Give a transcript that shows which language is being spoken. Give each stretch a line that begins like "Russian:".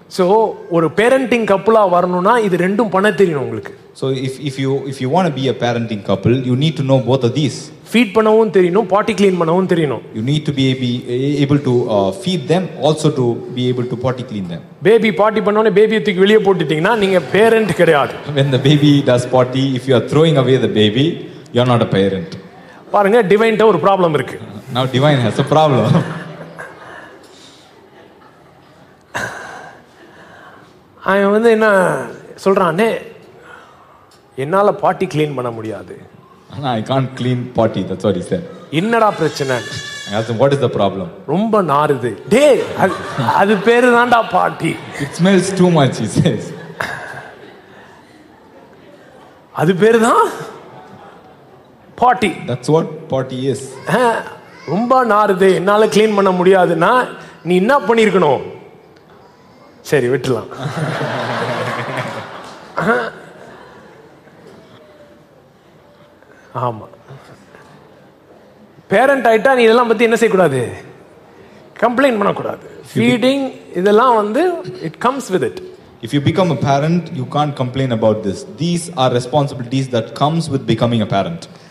Tamil: So ஒரு parenting கப்பலா வரணும்னா இது ரெண்டும் பண்ண தெரியணும் உங்களுக்கு.
English: So if you want to be a parenting couple, you need to know both of these.
Tamil: Feet பண்ணவும் தெரியணும், பாட்டி கிளீன் பண்ணவும் தெரியணும்.
English: You need to be able to feed them, also to be able to potty clean them.
Tamil: Baby பாட்டி பண்ணோனே baby தூக்கி வெளிய போட்டுட்டீங்கன்னா நீங்க parent கிடையாது.
English: When the baby does potty, if you are throwing away the baby, you're not a parent.
Tamil: பாருங்க divine ட ஒரு problem இருக்கு.
English: Now divine has a problem.
Tamil: அவன் வந்து என்ன சொல்றானே, என்னால பாட்டி கிளீன் பண்ண முடியாது.
English: I can't clean potty, that's what he said.
Tamil: என்னடா பிரச்சனை?
English: Asked, what is the problem?
Tamil: ரொம்ப நாறுது. டே அது பேரு தான்டா பாட்டி.
English: It smells too much, he says.
Tamil: அது பேரு தான் பாட்டி.
English: That's what potty is.
Tamil: ரொம்ப நாறுது, என்னால கிளீன் பண்ண முடியாதுன்னா நீ என்ன பண்ணிருக்கணும்? சரி விட்டுலாம். ஆமா, பேரண்ட் ஆயிட்டா நீ இதெல்லாம் பத்தி என்ன செய்யக்கூடாது? கம்ப்ளைண்ட் பண்ணக்கூடாது. ஃபீடிங் இதெல்லாம் வந்து
English: It comes with it. If you become a parent, you can't complain about this. These are responsibilities that comes with becoming a parent.